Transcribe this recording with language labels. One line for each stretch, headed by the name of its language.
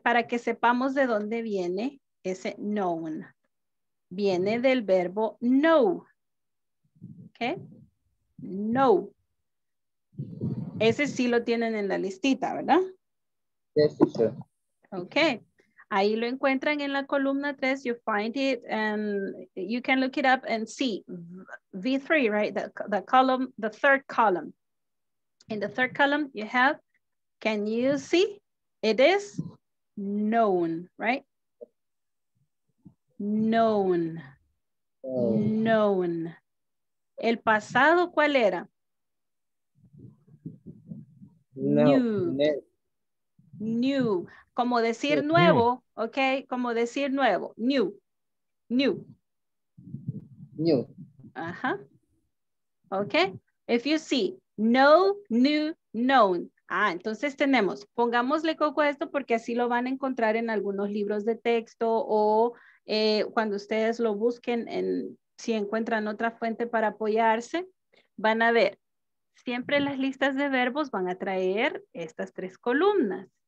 Spanish: Para que sepamos de dónde viene ese known. Viene del verbo know, ¿ok? Know. Ese sí lo tienen en la listita, ¿verdad?
English: Yes, sir.
Spanish: Ok. Ahí lo encuentran en la columna 3.
English: You find it and you can look it up and see. V3, right? The column, the third column. In the third column you have, can you see? It is known, right? Known. Oh. Known.
Spanish: ¿El pasado cuál era? No.
English: New.
Spanish: Como decir nuevo, ok, como decir nuevo, new, new.
English: New. Ajá, ok, if you see, know, new, known.
Spanish: Ah, entonces tenemos, pongámosle coco a esto porque así lo van a encontrar en algunos libros de texto o cuando ustedes lo busquen, si encuentran otra fuente para apoyarse, van a ver, siempre las listas de verbos van a traer estas tres columnas.